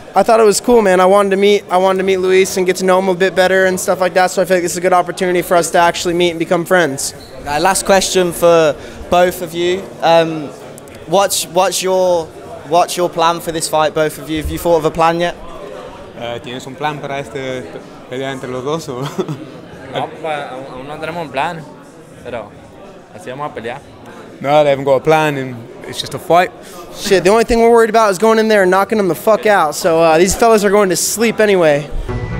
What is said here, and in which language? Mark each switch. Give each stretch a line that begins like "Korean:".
English: I thought it was cool, man. I wanted to meet Luis and get to know him a bit better and stuff like that. So I feel like this is a good opportunity for us to actually meet and become friends. Okay, last question for both of you. What's your plan for this fight, both of you? Have you thought of a plan yet?
Spanish: ¿Tienes un plan para esta pelea entre los dos o? No, aún no tenemos un plan, pero así vamos a pelear.
English: No, they haven't got a plan, and it's just a fight. Shit, the only thing we're worried about is going in there and knocking them the fuck out. So these fellas are going to sleep anyway.